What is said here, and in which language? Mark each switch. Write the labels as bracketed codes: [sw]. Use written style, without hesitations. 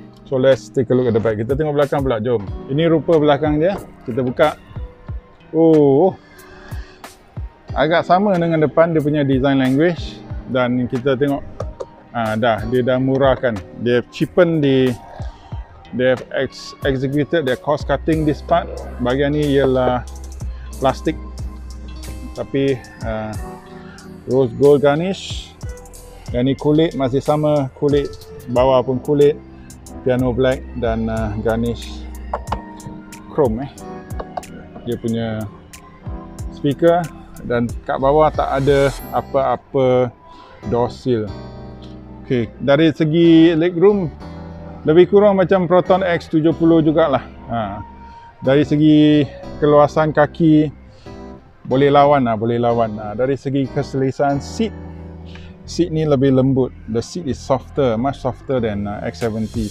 [en] So let's take a look at the back. [ms] Kita tengok belakang pula, jom. Ini rupa belakang dia. Kita buka. Oh. Agak sama dengan depan, dia punya design language. Dan kita tengok. Dia dah murahkan. [en] They have cheapened the, they have executed their cost cutting this part. [ms] Bahagian ni ialah plastik. Tapi rose gold garnish. Dan ni kulit, masih sama kulit. Bawah pun kulit, piano black dan garnish chrome. Dia punya speaker dan kat bawah tak ada apa-apa door seal. Okay, dari segi legroom, lebih kurang macam Proton X70 jugalah. Dari segi keluasan kaki, boleh lawan lah, boleh lawan. Dari segi keselesaan seat, seat ni lebih lembut. [en] The seat is softer, much softer than X70.